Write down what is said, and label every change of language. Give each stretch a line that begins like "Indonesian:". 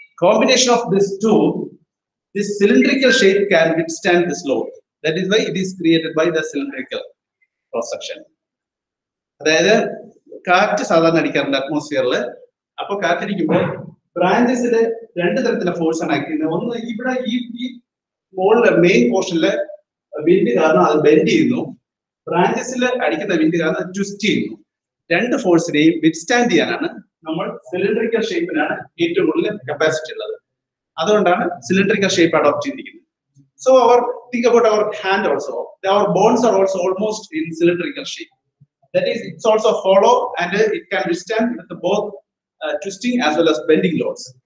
English: Combination of these two, this cylindrical shape can withstand this load. That is why it is created by the cylindrical cross section.
Malayalam: അതായത് കാറ്റ് സാധാരണ അടിക്കാറുണ്ട് അറ്റ്മോസ്ഫിയറിൽ. അപ്പൊ കാറ്റടിക്കുമ്പോൾ ബ്രാഞ്ചസിൽ രണ്ട് തരത്തിലുള്ള force ആണ് active. ഒന്ന് ഇവിടെ ഈ മോളിലെ മെയിൻ പോർഷനില് വിൻഡ് കാരണം അത് ബെൻഡ് ചെയ്യുന്നു. ബ്രാഞ്ചസിൽ അടിക്കുന്ന വിൻഡ് കാരണം അത് ട്വിസ്റ്റ് ചെയ്യുന്നു. രണ്ട് ഫോഴ്സിനെയും വിത്ത്സ്റ്റാൻഡ് ചെയ്യാനാണ് നമ്മൾ സിലിണ്ടറിക്കൽ ഷേപ്പിനാണ് ഏറ്റവും കൂടുതൽ കപ്പാസിറ്റി ഉള്ളത്. അതുകൊണ്ടാണ് സിലിണ്ടറിക്കൽ ഷേപ്പ് അഡോപ്റ്റ് ചെയ്തിരിക്കുന്നത്.
English: So our, think about our hand also. Our bones are also almost in cylindrical shape. That is, it's also hollow and it can withstand the both twisting as well as bending loads.